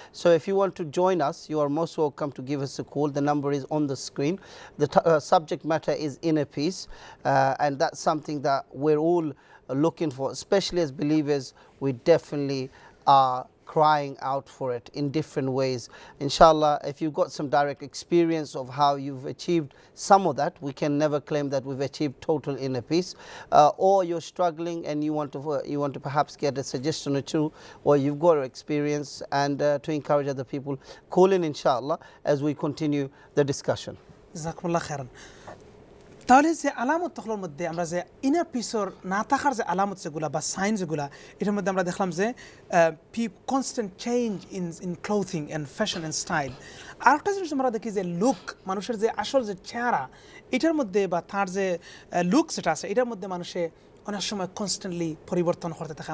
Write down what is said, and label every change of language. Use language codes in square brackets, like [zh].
[en] So if you want to join us you are most welcome to give us a call, the number is on the screen, the subject matter is inner peace and that something that we're all looking for, especially as believers, we definitely are crying out for it in different ways. Inshallah, if you've got some direct experience of how you've achieved some of that, we can never claim that we've achieved total inner peace. Or you're struggling and you want to perhaps get a suggestion or two, or you've got an experience and to encourage other people, call in inshallah as we continue the discussion. [ar] Jazakumullah khairan. [bn] তাহলে যে আলামত তখলোর মধ্যে আমরা যে inner পিসর না থাকার যে আলামত যেগুলো বা সাইন যেগুলো এটার মধ্যে আমরা দেখলাম যে [en] Constant change in clothing and fashion and style. [bn] আর একটা জিনিস আমরা দেখি যে লুক, মানুষের যে আসল যে চেহারা এটার মধ্যে বা তার যে লুক সেটা আছে এটার মধ্যে মানুষে অনেক সময় কনস্ট্যান্টলি পরিবর্তন করতে থাকে।